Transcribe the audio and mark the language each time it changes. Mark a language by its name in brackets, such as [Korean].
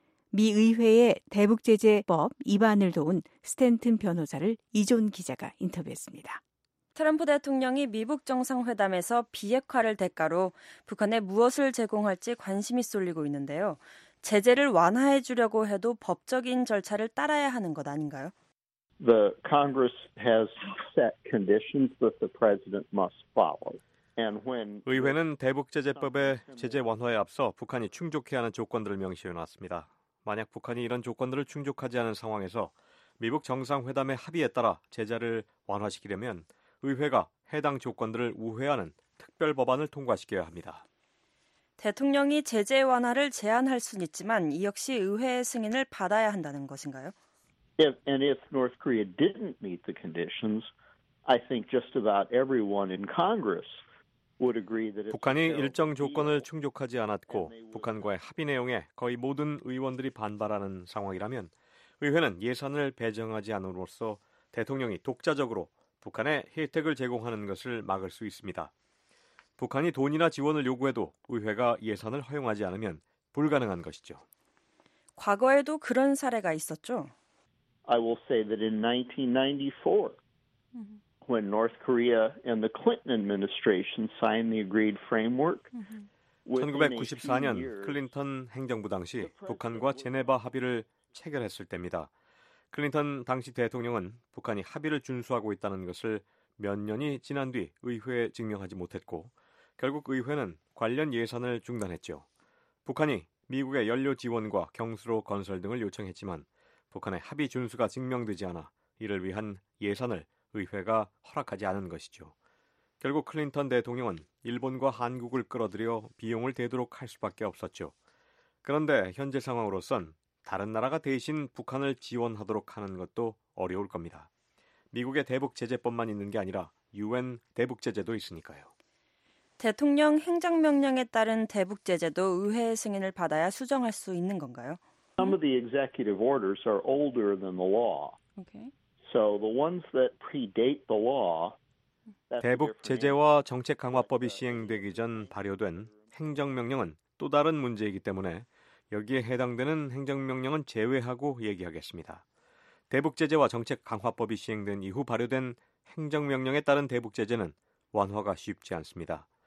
[Korean] 미 의회의 대북제재법 입안을 도운 스탠튼 변호사를 이존 기자가 인터뷰했습니다. 트럼프 대통령이 미북 정상회담에서 비핵화를 대가로 북한에 무엇을 제공할지 관심이 쏠리고 있는데요. 제재를 완화해 주려고 해도 법적인 절차를 따라야 하는 것 아닌가요? [English] The Congress has set conditions that the president must follow. [Korean] 의회는 대북제재법의 제재 완화에 앞서 북한이 충족해야 하는 조건들을 명시해 놨습니다. 만약 북한이 이런 조건들을 충족하지 않은 상황에서 미북 정상회담의 합의에 따라 제재를 완화시키려면 의회가 해당 조건들을 우회하는 특별 법안을 통과시켜야 합니다. 대통령이 제재 완화를 제안할 수는 있지만 이 역시 의회의 승인을 받아야 한다는 것인가요? [English] If North Korea didn't meet the conditions, I think just about everyone in Congress [Korean] 북한이 일정 조건을 충족하지 않았고 북한과의 합의 내용에 거의 모든 의원들이 반발하는 상황이라면 의회는 예산을 배정하지 않음으로써 대통령이 독자적으로 북한에 혜택을 제공하는 것을 막을 수 있습니다. 북한이 돈이나 지원을 요구해도 의회가 예산을 허용하지 않으면 불가능한 것이죠. 과거에도 그런 사례가 있었죠. [English] I will say that in 1994 when North Korea and the Clinton administration signed the agreed framework. [Korean] 1994년 클린턴 행정부 당시 북한과 제네바 합의를 체결했을 때입니다. 클린턴 당시 대통령은 북한이 합의를 준수하고 있다는 것을 몇 년이 지난 뒤 의회에 증명하지 못했고 결국 의회는 관련 예산을 중단했죠. 북한이 미국의 연료 지원과 경수로 건설 등을 요청했지만 북한의 합의 준수가 증명되지 않아 이를 위한 예산을 의회가 허락하지 않은 것이죠. 결국 클린턴 대통령은 일본과 한국을 끌어들여 비용을 대도록 할 수밖에 없었죠. 그런데 현재 상황으로선 다른 나라가 대신 북한을 지원하도록 하는 것도 어려울 겁니다. 미국의 대북제재법만 있는 게 아니라 UN 대북제재도 있으니까요. 대통령 행정명령에 따른 대북제재도 의회의 승인을 받아야 수정할 수 있는 건가요? [English] Some of the executive orders are older than the law. Okay. So the ones that predate the law, [Korean] 대북 제재와 정책 강화법이 시행되기 전 발효된 행정명령은 또 다른 문제이기 때문에 여기에 해당되는 행정명령은 제외하고 얘기하겠습니다. 대북 제재와 정책 강화법이 시행된 이후 발효된 행정명령에 따른 대북 제재는 완화가 쉽지 않습니다.